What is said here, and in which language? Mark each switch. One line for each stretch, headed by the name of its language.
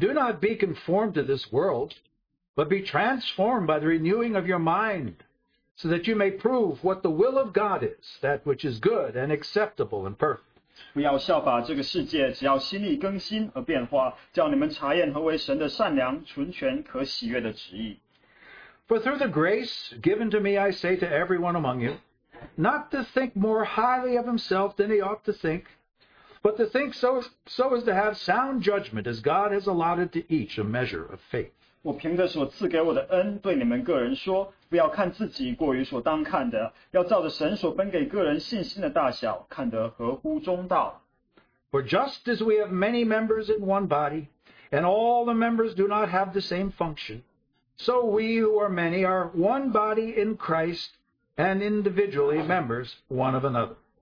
English: do not be conformed to this world, but be transformed by the renewing of your mind, so that you may prove what the will of God is, that which is good and acceptable and perfect.
Chinese: 不要效法这个世界,只要心意更新而变化,叫你们查验何为神的善良,纯全可喜悦的旨意。
English: For through the grace given to me, I say to everyone among you, not to think more highly of himself than he ought to think, but to think so as to have sound judgment as God has allotted to each a measure of faith.
Chinese: 我凭着所赐给我的恩对你们个人说,不要看自己过于所当看的,要照着神所分给个人信心的大小,看得合乎中道。
English: For just as we have many members in one body, and all the members do not have the same function, so we who are many are one body in Christ and individually members one of another.